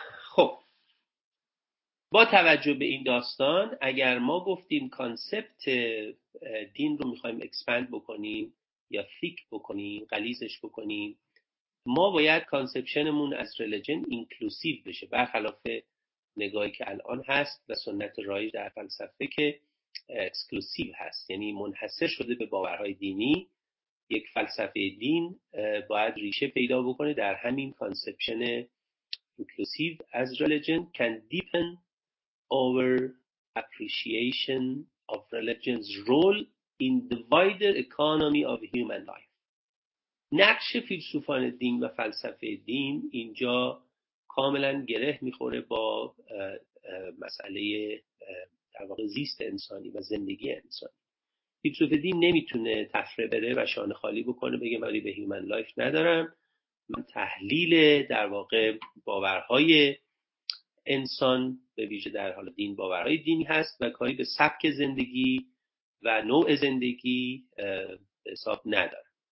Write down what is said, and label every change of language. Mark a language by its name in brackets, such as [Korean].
[Persian] خب با توجه به این داستان، اگر ما گفتیم کانسپت دین رو میخوایم اکسپند بکنیم یا فیک بکنیم، غلیظش بکنیم، ما باید کانسپشنمون از ریلیجن اینکلوسیو بشه، برخلاف نگاهی که الان هست و سنت رایج در فلسفه که اکسکلوسیو هست، یعنی منحصر شده به باورهای دینی. یک فلسفه دین باید ریشه پیدا بکنه در همین کانسپشن اینکلوسیو از ریلیجن. [English] can deepen our appreciation of religion's role in the wider economy of human life. [Persian] نقش فیلسوفان دین و فلسفه دین اینجا کاملا گره میخوره با مسئله در واقع زیست انسانی و زندگی انسانی. فیلسوف دین نمیتونه تفره بره و شانه خالی بکنه، بگه من به هیومن لایف ندارم، من تحلیل در واقع باورهای انسان به ویژه در حال دین باورهای دینی هست و کاری به سبک زندگی و نوع زندگی حساب ندارم.